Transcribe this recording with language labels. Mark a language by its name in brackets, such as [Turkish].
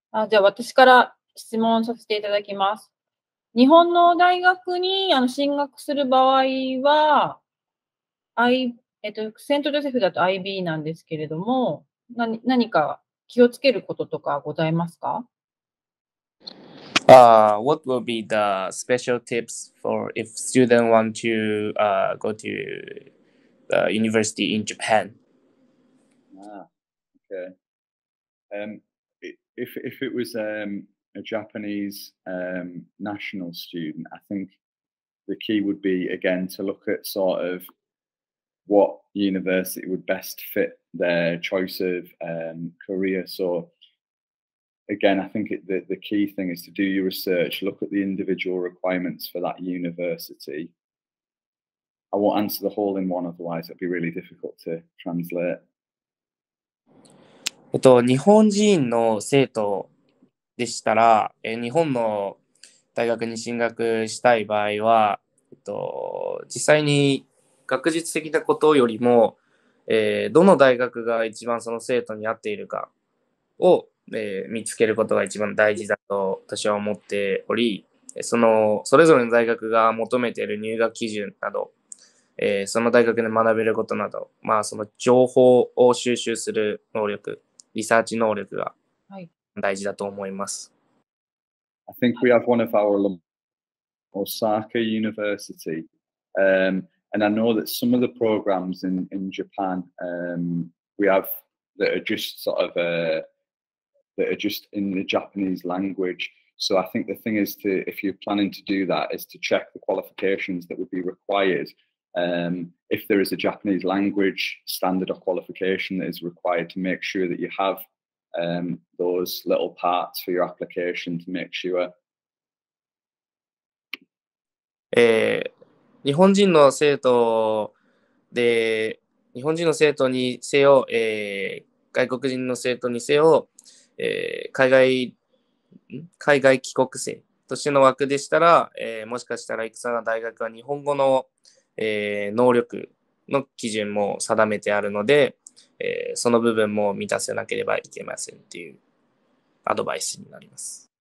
[Japanese] じゃあ私から質問させていただきます。日本の大学に進学する場合は、セントジョセフだと IB なんですけれども、何か気をつけることとかございますか？ [English] What will be the special tips for if students want to go to the university in Japan? Okay. If it was a Japanese national student, I think the key would be, again, to look at sort of what university would best fit their choice of career. So, again, I think the key thing is to do your research, look at the individual requirements for that university. I won't answer the whole in one, otherwise it'll be really difficult to translate. [Japanese] 日本人の生徒でしたら、日本の大学に進学したい場合は、実際に学術的なことよりも、どの大学が一番その生徒に合っているかを、見つけることが一番大事だと私は思っており、それぞれの大学が求めている入学基準など、その大学で学べることなど、まあ、その情報を収集する能力、リサーチ能力が大事だと思います。 [English] I think we have one of our Osaka University, and I know that some of the programs in Japan, we have that are just sort of that are just in the Japanese language. So I think the thing is to, if you're planning to do that, is to check the qualifications that would be required. If there is a Japanese language standard or qualification that is required, to make sure that you have those little parts for your application to make sure. [Japanese] 日本人の生徒で、日本人の生徒にせよ、外国人の生徒にせよ、海外帰国生としての枠でしたら、もしかしたらいくつかの大学は日本語の能力の基準も定めてあるので、その部分も満たせなければいけませんというアドバイスになります。